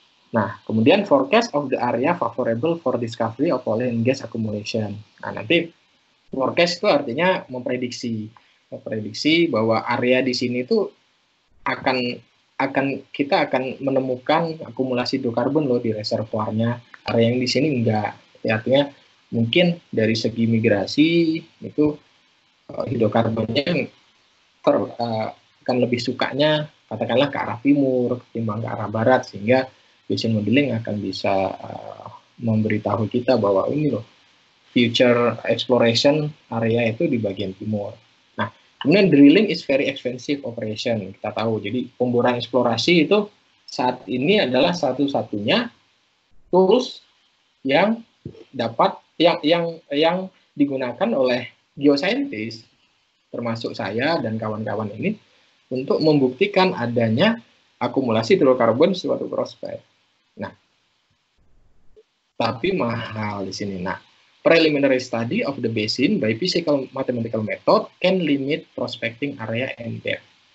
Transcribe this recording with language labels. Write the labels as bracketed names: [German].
[Indonesian] Nah, kemudian [English] forecast of the area favorable for discovery of oil and gas accumulation. [Indonesian] Nah, nanti forecast itu artinya memprediksi bahwa area di sini itu akan kita akan menemukan akumulasi hidrokarbon loh di reservoirnya. Area yang di sini enggak. Ya, artinya mungkin dari segi migrasi itu hidrokarbonnya akan lebih sukanya katakanlah ke arah timur ketimbang ke arah barat sehingga basin modeling akan bisa memberitahu kita bahwa ini loh [English] future exploration area [Indonesian] itu di bagian timur. Nah, kemudian [English] drilling is very expensive operation, [Indonesian] kita tahu. Jadi pemboran eksplorasi itu saat ini adalah satu-satunya tools yang dapat yang digunakan oleh geoscientist termasuk saya dan kawan-kawan ini untuk membuktikan adanya akumulasi hidrokarbon suatu prospek. Nah, tapi mahal di sini. [English] Nah, preliminary study of the basin by physical mathematical method can limit prospecting area and depth.